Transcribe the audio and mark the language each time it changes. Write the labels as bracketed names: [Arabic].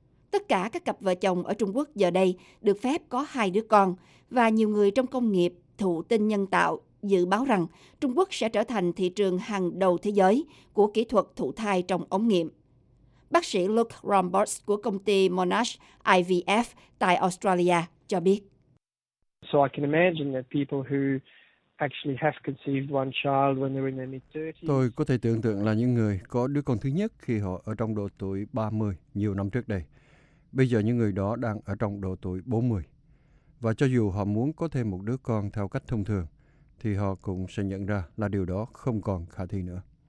[Vietnamese] Tất cả các cặp vợ chồng ở Trung Quốc giờ đây được phép có hai đứa con, và nhiều người trong công nghiệp thụ tinh nhân tạo dự báo rằng Trung Quốc sẽ trở thành thị trường hàng đầu thế giới của kỹ thuật thụ thai trong ống nghiệm. Bác sĩ Luke Rombos của công ty Monash IVF tại Australia cho biết. [English] So I can imagine that people who actually have conceived one child when they were in their mid 30s. [Vietnamese] Tôi có thể tưởng tượng là những người có đứa con thứ nhất khi họ ở trong độ tuổi 30 nhiều năm trước đây. Bây giờ những người đó đang ở trong độ tuổi 40. Và cho dù họ muốn có thêm một đứa con theo cách thông thường, thì họ cũng sẽ nhận ra là điều đó không còn khả thi nữa.